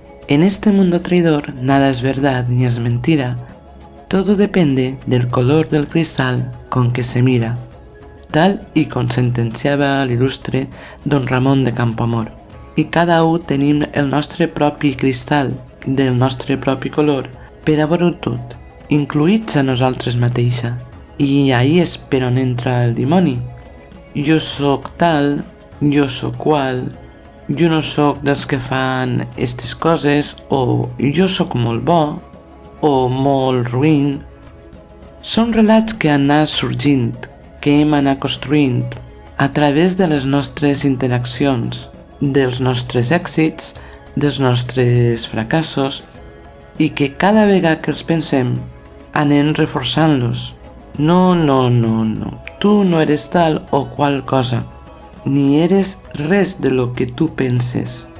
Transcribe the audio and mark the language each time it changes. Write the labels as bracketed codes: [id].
[es] En este mundo traidor, nada es verdad ni es mentira. Todo depende del color del cristal con que se mira. [ca] Tal i com sentenciava l'il·lustre don Ramon de Campoamor. I cada un tenim el nostre propi cristal, del nostre propi color, per a veure-ho tot, incluïts a nosaltres mateixa. I ahí és per on entra el dimoni. Jo sóc tal, jo sóc qual, jo no sóc dels que fan aquestes coses, o jo sóc molt bo, o molt ruïn. Són relats que han anat sorgint, que hem anat construint a través de les nostres interaccions, dels nostres èxits, dels nostres fracassos, i que cada vegada que els pensem anem reforçant-los. [es] No, no, no, no. Tu no eres tal o qual cosa. Ni eres res de lo que tu penses.